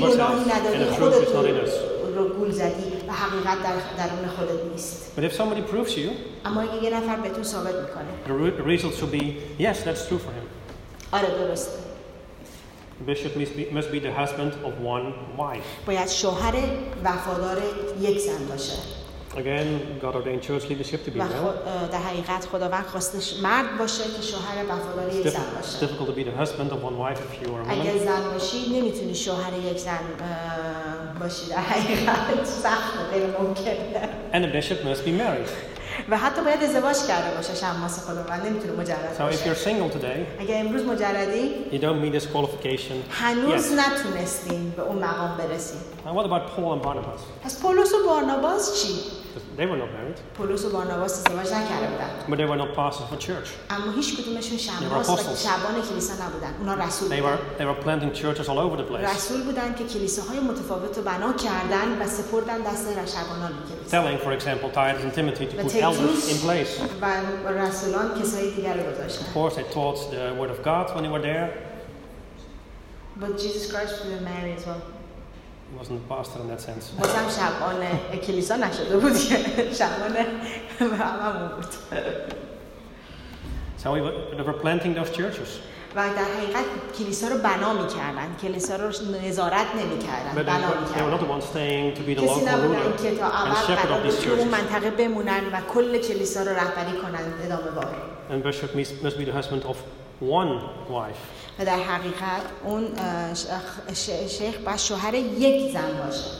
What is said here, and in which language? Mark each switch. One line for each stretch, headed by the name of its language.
Persian: گناهی نداری، خودتو رو گول زدی. و حقیقت در درون خودت نیست.
English: But if somebody proves you,
Persian: اما اگه یه نفر به تو ثابت میکنه.
English: The results will be yes, that's true for him.
Persian: آره درست.
English: Bishop must be the husband of one wife.
Persian: باید شوهر وفادار یک زن باشه.
English: Again, God ordained church leadership to be male.
Persian: در حقیقت خداوند خواستش مرد باشه که شوهر وفادار یک زن باشه.
English: It's difficult to be the husband of one wife if you are a woman.
Persian: اگه زن باشی نمیتونی شوهر یک زن باشی. در حقیقت سخت غیر ممکنه.
English: And a bishop must be married.
Persian: و حتی باید ازدواج کرده باشه شماس خداوند نمیتونه مجرد باشه.
English: So if you're single today,
Persian: اگه امروز مجردی,
English: you don't meet this qualification.
Persian: هنوز نتونستین به اون مقام برسید.
English: And what about Paul and Barnabas?
Persian: پس پولس و بارناباس چی؟
English: They were not married.
Persian: پولس و بارناباس ازدواج نکرده بودن.
English: But they were not pastors for church.
Persian: اما هیچ کدومشون شماس و شبان کلیسا نبودن. اونا رسول بودن.
English: They were planting churches all over the place.
Persian: رسول بودن که کلیساهای متفاوت رو بنا کردن و سپردن دست شبانان کلیسا.
English: Telling for example Titus and Timothy to put elders in place.
Persian: و رسولان کسای دیگر رو گذاشتن.
English: Of course they taught the word of God when they were there. But Jesus Christ was married as well. Wasn't a pastor in that sense.
Persian: بازم شبان کلیسا نشده بود که شبان همه بود.
English: So we were planting those churches.
Persian: و در حقیقت کلیسا رو بنا می‌کردن، کلیسا رو نظارت نمی‌کردن، بنا می‌کردن. کسی نبودن که تا ابد اون منطقه بمونن و کل کلیسا رو رهبری کنن ادامه بار.
English: And bishop must be the husband of one wife.
Persian: و در حقیقت اون شیخ با شوهر یک زن باشه.